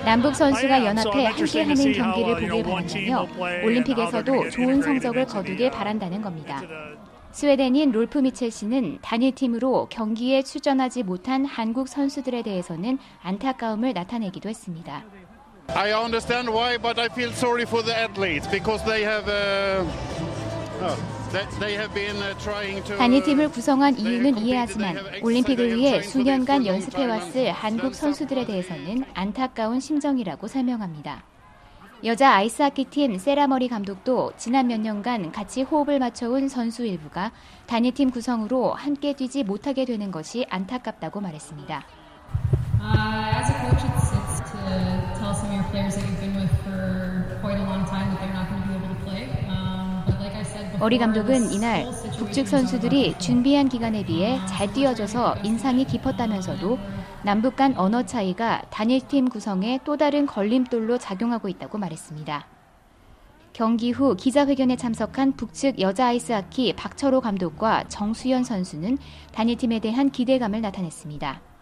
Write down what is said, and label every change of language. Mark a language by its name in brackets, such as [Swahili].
[Korean] 남북 선수가 연합해 함께하는 경기를 보길 바란다며 올림픽에서도 좋은 성적을 거두길 바란다는 겁니다. 스웨덴인 롤프 미첼 씨는 단일팀으로 경기에 출전하지 못한 한국 선수들에 대해서는 안타까움을 나타내기도 했습니다. [English] I understand why, but I feel sorry for the athletes because they have they have been trying to. [Korean] 단일팀을 구성한 이유는 이해하지만 올림픽을 위해 수년간 연습해왔을 한국 선수들에 대해서는 안타까운 심정이라고 설명합니다. 여자 아이스하키 팀 세라머리 감독도 지난 몇 년간 같이 호흡을 맞춰온 선수 일부가 단일팀 구성으로 함께 뛰지 못하게 되는 것이 안타깝다고 말했습니다. [English] As a coach, it's to tell some of your players that you've been with for quite a long time that they're not going to be able to play. But like I said before, [Korean] 머리 감독은 이날 북측 선수들이 준비한 기간에 비해 잘 뛰어줘서 인상이 깊었다면서도 남북 간 언어 차이가 단일팀 구성에 또 다른 걸림돌로 작용하고 있다고 말했습니다. 경기 후 기자회견에 참석한 북측 여자 아이스하키 박철호 감독과 정수연 선수는 단일팀에 대한 기대감을 나타냈습니다.